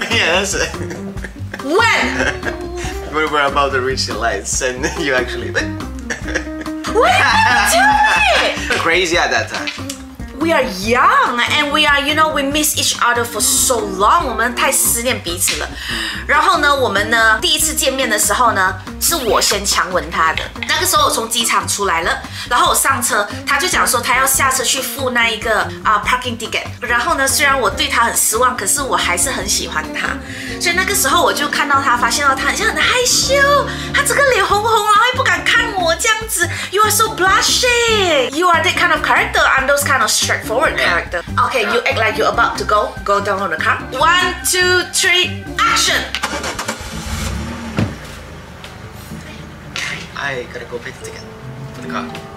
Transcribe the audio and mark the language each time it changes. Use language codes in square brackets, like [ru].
[en] Yeah, that's it. When? When we're about to reach the lights and you actually... What happened to me? Crazy at that time. We are young and we are, you know, we miss each other for so long. [zh] 我们太思念彼此了。然后呢，我们呢第一次见面的时候呢，是我先强吻他的。那个时候我从机场出来了，然后我上车，他就讲说他要下车去付那一个parking ticket。然后呢，虽然我对他很失望，可是我还是很喜欢他。所以那个时候我就看到他，发现到他很像很害羞，他整个脸红红，然后也不敢看我这样子。 [en] You are so blushing. You are that kind of character. I'm those kind of straightforward character. Okay, you act like you're about to go down on the car. 1, 2, 3, action. I gotta go pay the ticket for the car.